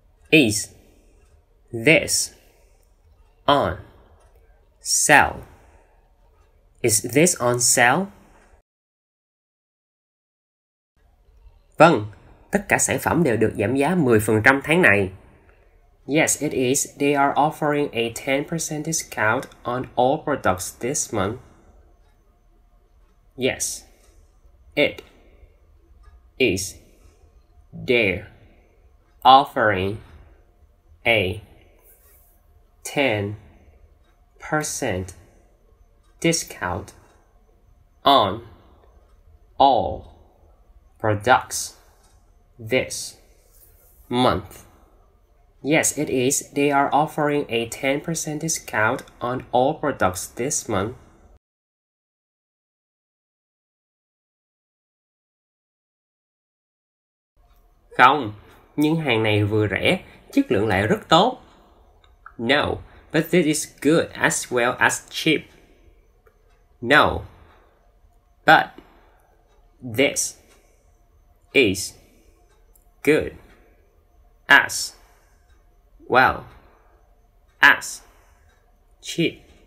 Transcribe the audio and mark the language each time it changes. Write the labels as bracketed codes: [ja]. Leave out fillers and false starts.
[en] Is this on sale? Is this on sale? [vi] Vâng, tất cả sản phẩm đều được giảm giá 10% tháng này. [en] Yes, it is. They are offering a 10% discount on all products this month. Yes, it is. They're offering a 10% discount on all products this month. Yes, it is. They are offering a 10% discount on all products this month. [vi] Không, nhưng hàng này vừa rẻ, chất lượng lại rất tốt. [en] No, but this is good as well as cheap. No, but this is good as well as cheap.